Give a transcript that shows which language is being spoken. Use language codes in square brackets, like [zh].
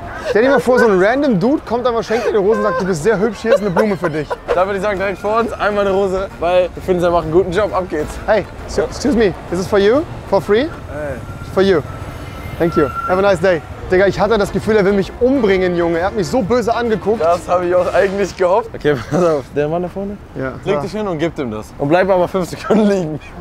[de] Stell dir mal vor, so ein random Dude kommt einmal, schenkt dir eine Rose und sagt, du bist sehr hübsch, hier ist eine Blume für dich. Da würde ich sagen, direkt vor uns, einmal eine Rose, weil wir finden, sie machen einen guten Job. Ab geht's. [en] Hey, so, excuse me, this is for you, for free? Hey. For you. Thank you. Have a nice day. [de] Digga, ich hatte das Gefühl, er will mich umbringen, Junge. Er hat mich so böse angeguckt. Das habe ich auch eigentlich gehofft. Okay, pass auf, der Mann da vorne? Ja. Leg dich hin und gib ihm das. Und bleib aber 5 Sekunden liegen.